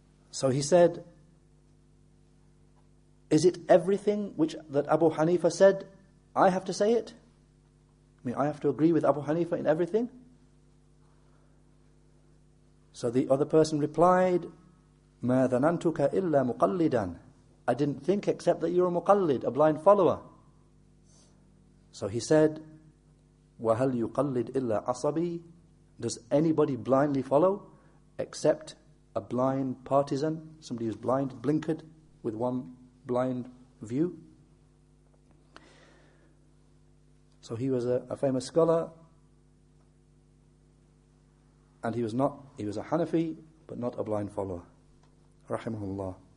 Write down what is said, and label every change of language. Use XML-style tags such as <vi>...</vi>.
<en>So he said, is it everything which that Abu Hanifa said, I have to say it? I mean, I have to agree with Abu Hanifa in everything? So the other person replied,</en> <ar>مَا ذَنَنْتُكَ إِلَّا مُقَلِّدًا.</ar> <en>I didn't think except that you're a muqallid, a blind follower. So he said,</en> <ar>وَهَلْ يُقَلِّدْ إِلَّا عَصَبِي.</ar> <en>Does anybody blindly follow except a blind partisan, somebody who's blind, blinkered with one blind view? So he was a famous scholar, and he was a Hanafi, but not a blind follower. Rahimahullah.</en>